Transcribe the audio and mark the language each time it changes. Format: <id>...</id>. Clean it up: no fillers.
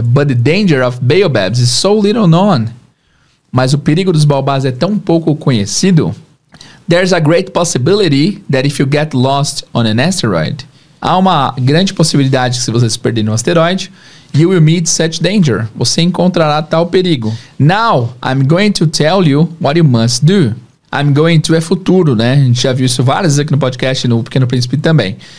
<en>But the danger of baobabs is so little known.</en> <pt>Mas o perigo dos baobás é tão pouco conhecido.</pt> <en>There's a great possibility that if you get lost on an asteroid.</en> <pt>Há uma grande possibilidade que se você se perder no asteroide,</pt> <en>you will meet such danger.</en> <pt>Você encontrará tal perigo.</pt> <en>Now, I'm going to tell you what you must do.</en> <pt>I'm going to é futuro, né? A gente já viu isso várias vezes aqui no podcast, no Pequeno Príncipe também.</pt>